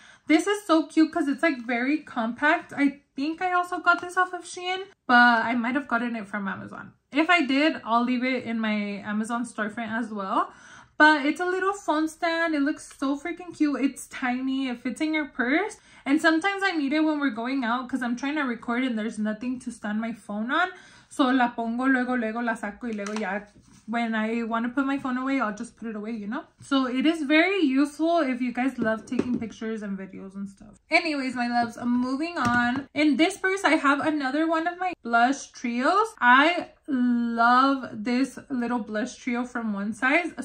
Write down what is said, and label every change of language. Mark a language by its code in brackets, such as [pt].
[en] This is so cute because it's like very compact. I think I also got this off of Shein, but I might have gotten it from Amazon. If I did, I'll leave it in my Amazon storefront as well. But it's a little phone stand. It looks so freaking cute. It's tiny. It fits in your purse. And sometimes I need it when we're going out because I'm trying to record and there's nothing to stand my phone on. [es] So la pongo, luego, luego, la saco y luego ya... [en] When I want to put my phone away, I'll just put it away, you know? So it is very useful if you guys love taking pictures and videos and stuff. Anyways, my loves, moving on. In this purse, I have another one of my blush trios. I love this little blush trio from OneSize.